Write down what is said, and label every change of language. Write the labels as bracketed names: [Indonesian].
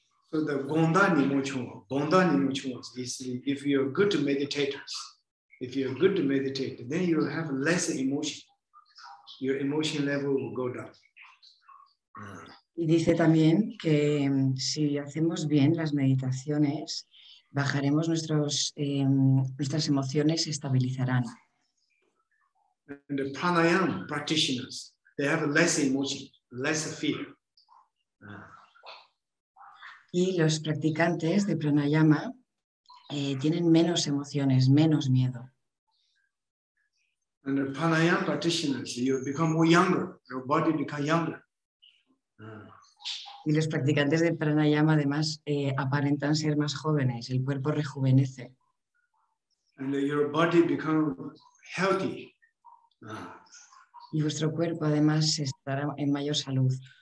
[English] So the bondani mucho is if you're good meditators, if you're good to meditate, then you will have less emotion. Your emotion level will go down. [Spanish] Y dice también que si hacemos bien las meditaciones, bajaremos nuestras emociones, se estabilizarán. [English] And the pranayama practitioners, they have less emotion, less fear. [Spanish] Y los practicantes de pranayama tienen menos emociones, menos miedo. [English] And the pranayama practitioners, you become more younger, your body become younger. [Spanish] Y los practicantes de pranayama además aparentan ser más jóvenes, el cuerpo rejuvenece. [English] And your body become healthy. [Spanish] Y vuestro cuerpo además estará en mayor salud.